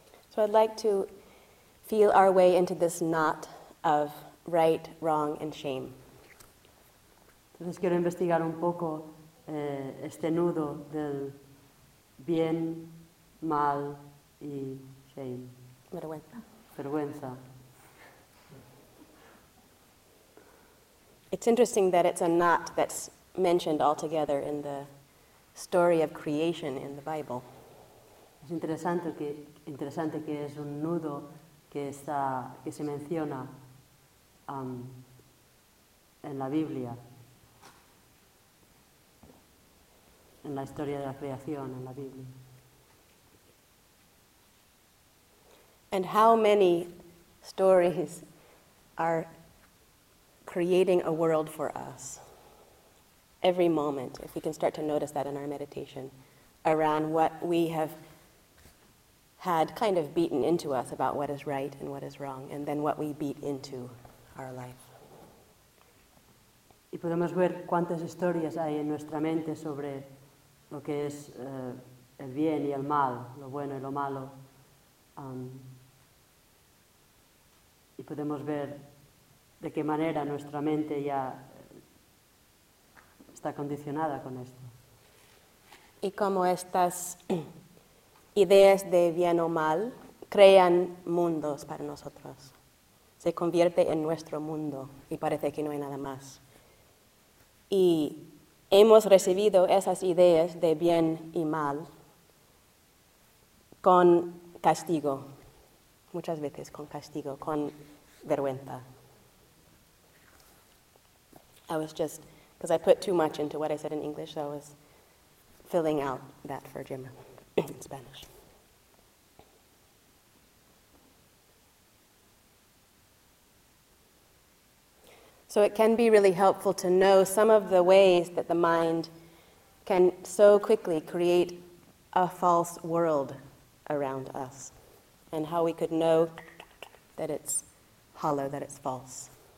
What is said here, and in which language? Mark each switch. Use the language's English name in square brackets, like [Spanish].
[English] So I'd like to feel our way into this knot of right, wrong, and shame. [Spanish] Entonces quiero investigar un poco este nudo del bien, mal y shame. Vergüenza. [English] It's interesting that it's a knot that's mentioned altogether in the story of creation in the Bible. [Spanish] Es interesante que es un nudo que se menciona en la Biblia, en la historia de la creación en la Biblia. [English] And how many stories are creating a world for us every moment, if we can start to notice that in our meditation, around what we have had kind of beaten into us about what is right and what is wrong, and then what we beat into our life. [Spanish] Y podemos ver cuántas historias hay en nuestra mente sobre lo que es el bien y el mal, lo bueno y lo malo. Y podemos ver de qué manera nuestra mente ya está condicionada con esto. Y cómo estas ideas de bien o mal crean mundos para nosotros. Se convierte en nuestro mundo y parece que no hay nada más. Y hemos recibido esas ideas de bien y mal con castigo, muchas veces con castigo, con vergüenza. [English] I was just, because I put too much into what I said in English, so I was filling out that for Jim in Spanish. So it can be really helpful to know some of the ways that the mind can so quickly create a false world around us, and how we could know that it's hollow, that it's false.